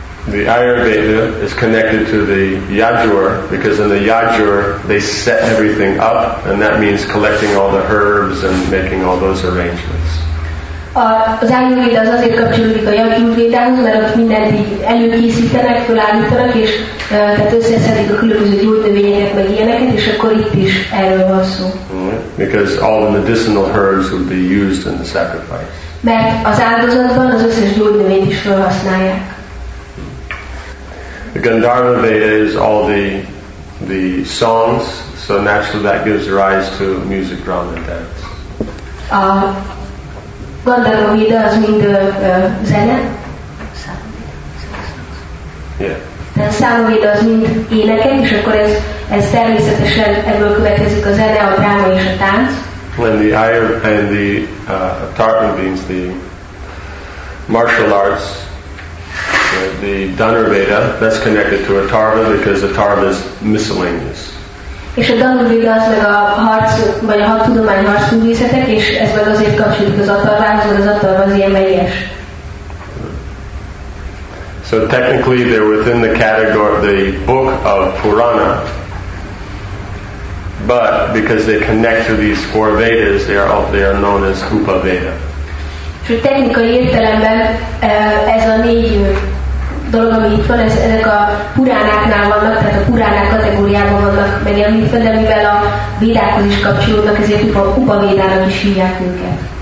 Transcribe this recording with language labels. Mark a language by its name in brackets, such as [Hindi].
[English] The Ayurveda is connected to the Yajur because in the Yajur they set everything up, and that means collecting all the herbs and making all those arrangements. [Hungarian] Az Ayurveda az azért kapcsolódik a Yajurvédához, mert ott mindent előkészítenek, felállítanak, és tehát összeszedik a különböző gyógynövényeket meg ilyeneket, és akkor itt is erről van szó. [English] Because all the medicinal herbs would be used in the sacrifice. [Hungarian] Mert az áldozatban az összes gyógynövényt is felhasználják. [English] The Gandharva Veda is all the songs, so naturally that gives rise to music, drama, and dance. [Hungarian] Gandharva Veda az mind zene. [English] Yeah. [Hungarian] Tehát Száma Veda az mind éneke, és akkor ez természetesen ebből következik a zene, a dráma és a tánc. [English] And the Atharva means the martial arts, the Dhanur Veda, that's connected to Atharva because Atharva is miscellaneous. [Hungarian] És a Dhanur Veda az meg a harc, vagy a hadtudomány harcművészetek, és ez meg azért kapcsolódik az Atharvához, mert az Atharva az ilyen melyes. [English] So technically they're within the category, the book of Purana. But because they connect to these four Vedas, they are known as Upaveda. So technically, [Hungarian] értelemben ez a négy dolog, ami itt van, ezek a Puránáknál vannak, tehát a Puránák kategóriában vannak megemlítve, de mivel a Védákhoz is kapcsolódnak, ezért Upavédának is hívják őket.